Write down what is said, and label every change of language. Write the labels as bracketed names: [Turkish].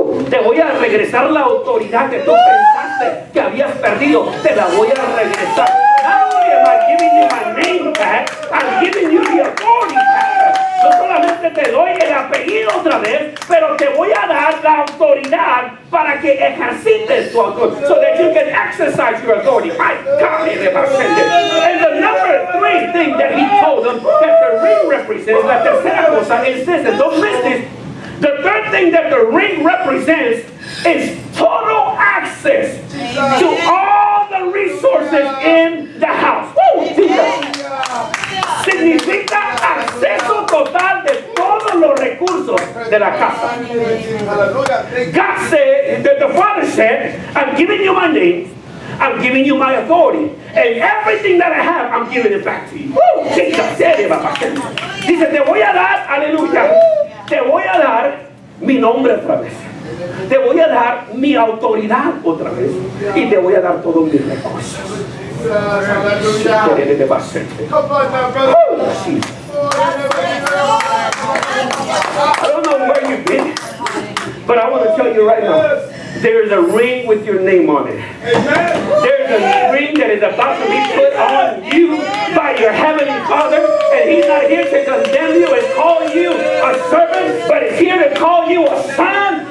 [Spanish] Te voy a regresar la autoridad que tú pensaste que habías perdido. Te la voy a regresar. [English] Not only am I giving you my name back, I'm giving you the authority back. [Spanish] No solamente te doy el apellido otra vez, pero te voy a dar la autoridad para que ejercites tu autoridad. [English] So that you can exercise your authority. I come here to ascend it. And the number three thing that he told them that the ring represents, [Spanish] la tercera cosa es [English] this, and don't miss this. The third thing that the ring represents is total access Jesus. To all the resources in the house. Woo, Jesus. [Spanish] Significa acceso total de todos los recursos de la casa. [English] God said, the Father said, I'm giving you my name, I'm giving you my authority, and everything that I have, I'm giving it back to you. Woo, Jesus. [Spanish] Dice, te voy a dar, aleluya. Te voy a dar mi nombre otra vez. Te voy a dar mi autoridad otra vez. Y te voy a dar todos mis recursos. [English] Come on, my brother. Oh, I don't know where you've been, but I want to tell you right now, there is a ring with your name on it. There is a ring that is about to be put on you by your heavenly Father, and he's not here to condemn you and call you a servant, but he's here to call you a son.